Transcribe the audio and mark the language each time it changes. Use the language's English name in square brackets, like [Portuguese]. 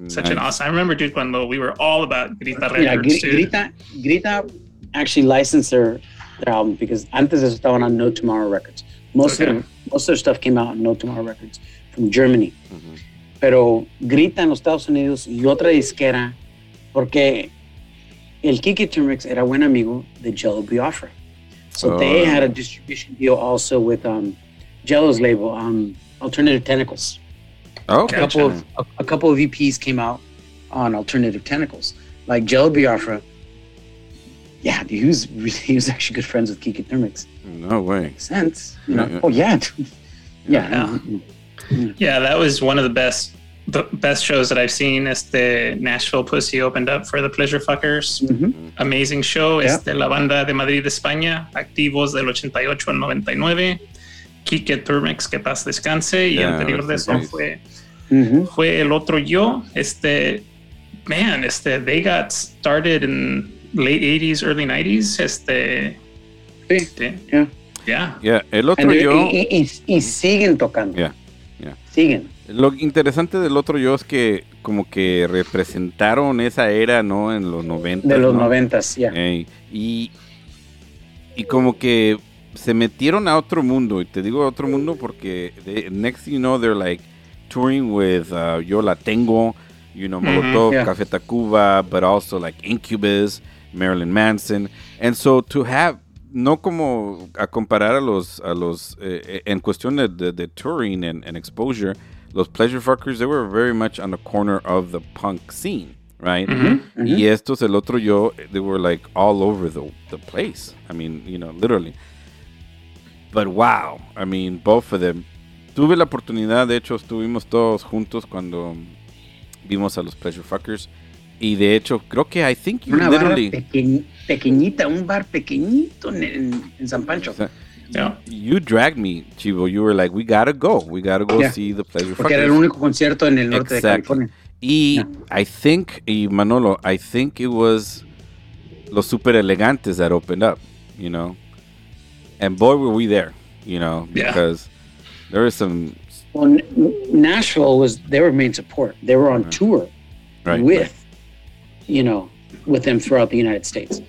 [English] Such nice. An awesome. I remember, dude, when we were all about Grita Records. Yeah, Grita actually licensed their album, because [Spanish] antes estaban [English] on No Tomorrow Records. Most of their stuff came out on No Tomorrow Records from Germany. Mm-hmm. [Spanish] Pero Grita en los Estados Unidos y otra disquera, porque el Kiki Turmix era buen amigo de Jello Biafra. [English] So they had a distribution deal also with Jello's label, Alternative Tentacles. Okay. A couple of EPs came out on Alternative Tentacles. Like Jello Biafra, yeah, dude, he was actually good friends with Kiki Turmix. No way. Makes sense. Yeah, that was one of the best shows that I've seen. Nashville Pussy opened up for the Pleasure Fuckers. Mm-hmm. Amazing show. Yeah. [Spanish] La banda de Madrid, España, activos del 88 al 99. Kike Turmix, que paz descanse. Y yeah, anterior de eso fue el otro yo. [English] They got started in late 80s, early 90s. [Spanish] El otro yo. Y siguen tocando. Siguen. Lo interesante del otro yo es que como que representaron esa era, ¿no? En los 90. De los 90, ¿no? Ya. Yeah. Y como que se metieron a otro mundo. Y te digo otro mundo porque [English] next thing you know, they're like touring with Yo La Tengo, you know, Molotov, mm-hmm, yeah. Café Tacuba, but also like Incubus, Marilyn Manson. And so to have, [Spanish] no como a comparar a los en cuestión de [English] touring and exposure, los Pleasure Fuckers, they were very much on the corner of the punk scene, right? Mm-hmm, mm-hmm. [Spanish] Y estos, el otro yo, [English] they were like all over the place. I mean, you know, literally. But wow, I mean, both of them. [Spanish] Tuve la oportunidad, de hecho, estuvimos todos juntos cuando vimos a los Pleasure Fuckers. Y de hecho, creo que, [English] I think you literally... [Spanish] Un bar pequeñito en San Pancho. [English] Yeah. You dragged me, Chivo. You were like, we gotta go yeah. see the Pleasure Fuckers. [Spanish] Porque era el único concierto en el norte de California. [English] I think it was Los Super Elegantes that opened up, you know. And boy, were we there, you know, because there was some... Well, Nashville was their main support. They were on tour with them throughout the United States.